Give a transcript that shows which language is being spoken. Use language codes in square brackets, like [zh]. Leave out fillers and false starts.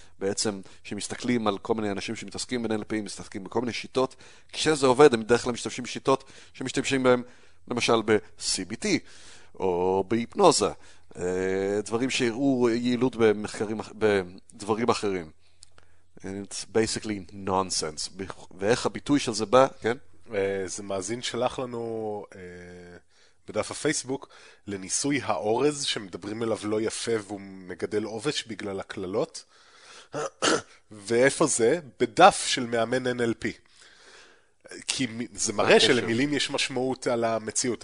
[he] בעצם, שמסתכלים על כל מיני אנשים שמתעסקים ב-NLP, מסתכלים בכל מיני שיטות. כשזה עובד, הם בדרך כלל משתמשים בשיטות שמשתמשים בהם למשל ב-CBT או בהיפנוזה, דברים שיראו יעילות במחקרים, בדברים אחרים. [en] It's basically nonsense. [he] ואיך הביטוי של זה בא, כן? זה מאזין שלח לנו בדף הפייסבוק לניסוי האורז שמדברים אליו לא יפה והוא מגדל עובש בגלל הכללות. ואיפה זה? בדף של מאמן NLP. כי זה מראה שלמילים יש משמעות על המציאות.